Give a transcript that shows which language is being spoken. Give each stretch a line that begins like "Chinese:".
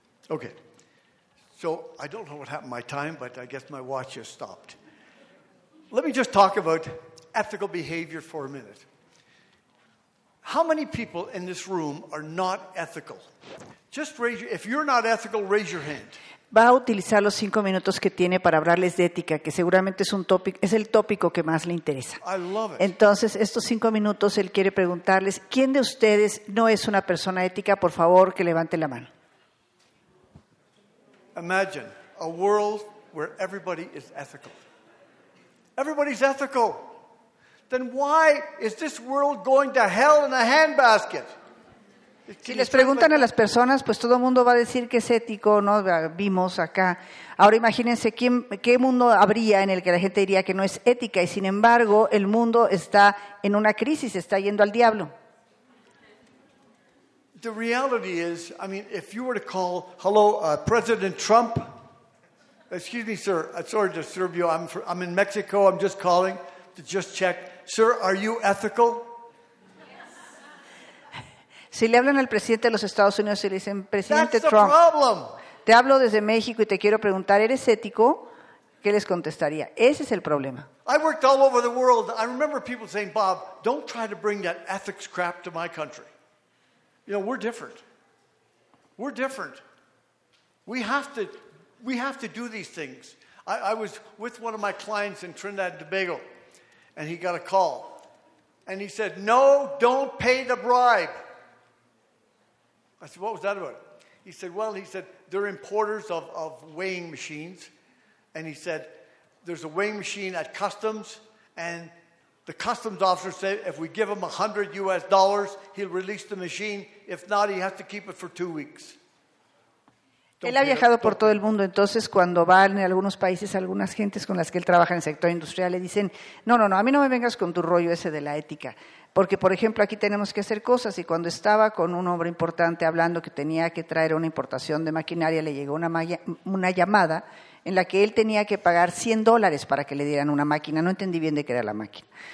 English: Okay. So I don't know what happened to my time, but I guess my watch has stopped. Let me just talk about ethical behavior for a minute. How many people in this room are not ethical? Just raise your, if you're not ethical, raise your hand.
Spanish: Va a utilizar los 5 minutos que tiene para hablarles de ética, que seguramente es un tópico, es el tópico que más le interesa.
English: I love it.
Spanish: Entonces, estos 5 minutos, él quiere preguntarles, ¿quién de ustedes no es una persona ética? Por favor, que levante la mano.
English: Imagine a world where everybody is ethical. Everybody's ethical. Then why is this world going to hell in a handbasket?
Spanish: Si les preguntan a las personas, pues todo el mundo va a decir que es ético, ¿no? Vimos acá. Ahora imagínense qué mundo habría en el que la gente diría que no es ética y sin embargo el mundo está en una crisis, está yendo al diablo.
English: The reality is, I mean, if you were to call, hello, President Trump, excuse me, sir, sorry to disturb you, I'm in Mexico, I'm just calling to just check, sir, are you ethical?
Spanish: Si le hablan al presidente de los Estados Unidos y le dicen, presidente Trump, te hablo desde México y te quiero preguntar, ¿eres ético? ¿Qué les contestaría? Ese es el problema.
English: I worked all over the world. I remember people saying, Bob, don't try to bring that ethics crap to my country. You know, we're different. We're different. We have to do these things. I was with one of my clients in Trinidad and Tobago, and he got a call. And he said, no, don't pay the bribe. I said, what was that about? He said, they're importers of weighing machines. And he said, there's a weighing machine at customs, and The customs officer said if we give him $100, he'll release the machine. If not, he has to keep it for 2 weeks.
Spanish: Él ha viajado por todo el mundo, entonces cuando van a algunos países, algunas gentes con las que él trabaja en el sector industrial le dicen, no, a mí no me vengas con tu rollo ese de la ética, porque por ejemplo aquí tenemos que hacer cosas y cuando estaba con un hombre importante hablando que tenía que traer una importación de maquinaria, le llegó una llamada en la que él tenía que pagar $100 para que le dieran una máquina, no entendí bien de qué era la máquina.